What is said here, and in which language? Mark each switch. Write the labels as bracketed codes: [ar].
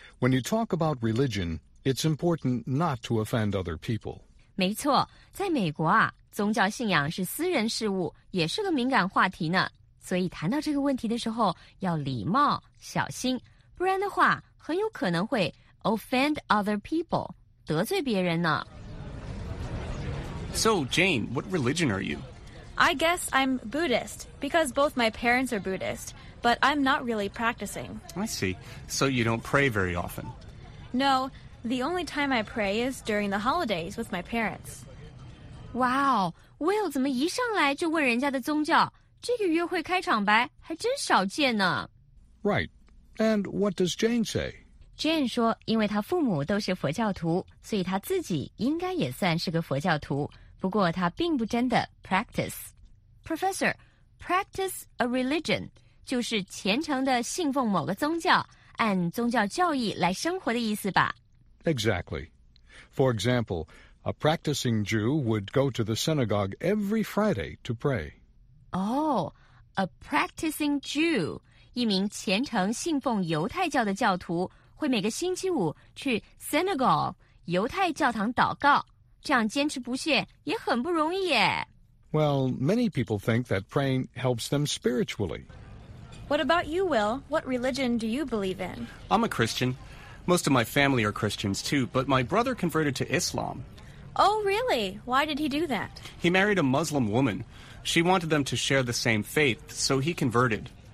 [en] When you talk about religion, it's important not to offend other people. [zh] 没错，在美国啊，宗教信仰是私人事务，也是个敏感话题呢。所以谈到这个问题的时候，要礼貌、小心，不然的话，很有可能会 [en] offend other people， [zh] 得罪别人呢。 [en] So, Jane, what religion are you? I guess I'm Buddhist, because both my parents are Buddhist, but I'm not really practicing. I see. So you don't pray very often? No, the only time I pray is during the holidays with my parents. [zh] Wow, Will 怎么一上来就问人家的宗教？这个约会开场白还真少见呢。 [en] Right. And what does Jane say? [zh] Jane 说，因为她父母都是佛教徒，所以她自己应该也算是个佛教徒。不过他并不真的 [en] practice. Professor, practice a religion [zh] 就是虔诚的信奉某个宗教，按宗教教义来生活的意思吧。 [en] Exactly. For example, a practicing Jew would go to the synagogue every Friday to pray. Oh, a practicing Jew, [zh] 一名虔诚信奉犹太教的教徒会每个星期五去 synagogue, 犹太教堂祷告。这样坚持不懈也很不容易耶。 [en] Well, many people think that praying helps them spiritually. What about you, Will? What religion do you believe in? I'm a Christian. Most of my family are Christians too, but my brother converted to Islam. Oh, really? Why did he do that? He married a Muslim woman. She wanted them to share the same faith, so he converted.